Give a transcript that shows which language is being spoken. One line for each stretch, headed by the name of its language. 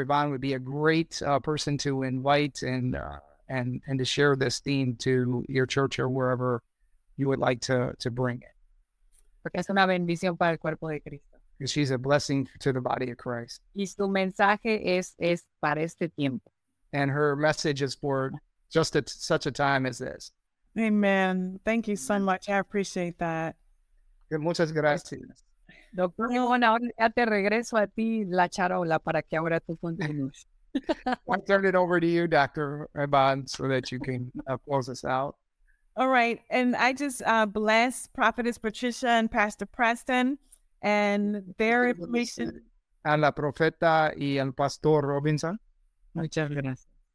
English: Ivonne would be a great person to invite and to share this theme to your church or wherever you would like to bring it.
Spanish: Porque es una bendición para el cuerpo de Cristo.
English: Because she's a blessing to the body of Christ.
Spanish: Y su mensaje es para este tiempo.
English: And her message is for just such a time as this. Amen. Thank you so much. I appreciate that.
Spanish: Muchas gracias. Doctor, bueno, ahora te regreso a ti la charola para que ahora tú continúes.
English: I'll turn it over to you, Dr. Ivonne, so that you can close us out. All right. And I just bless Prophetess Patricia and Pastor Preston. and their information.
Spanish: A la profeta y al pastor Robinson. Muchas gracias.